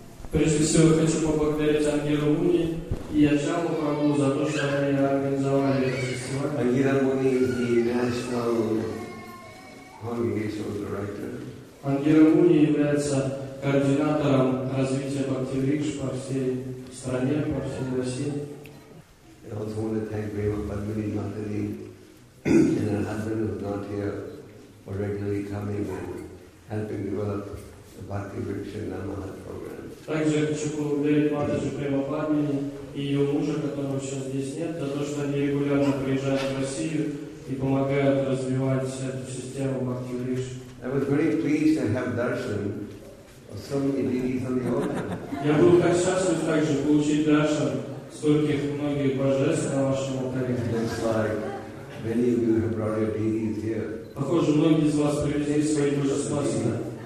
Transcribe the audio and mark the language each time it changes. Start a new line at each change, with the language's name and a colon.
Russian: Прежде всего хочу поблагодарить Ангелу Муни и Ачаму Прабу за то, что они организовали этот фестиваль.
English: Ангела Муни и National Congregational Director.
Russian: Ангела Муни является координатором развития Бхакти Рикш по всей стране, по всей России.
English: I also want to thank Prabhu Padmini Matali and her husband who's not here for regularly coming and helping develop the Bhakti Vriksha Namaha program.
Russian: Также хочу поблагодарить матушку Премападмини и ее мужа, которого сейчас здесь нет, за то, что они регулярно приезжают в Россию и помогают развивать эту систему Бхакти Вриши.
English: I was very pleased to have darshan of so many deities on the altar.
Russian: Я был так счастлив также получить даршан стольких многих божеств на вашем алтаре.
English: Looks like many of you have brought your deities here.
Russian: Похоже, многие из вас привезли свои божества сюда.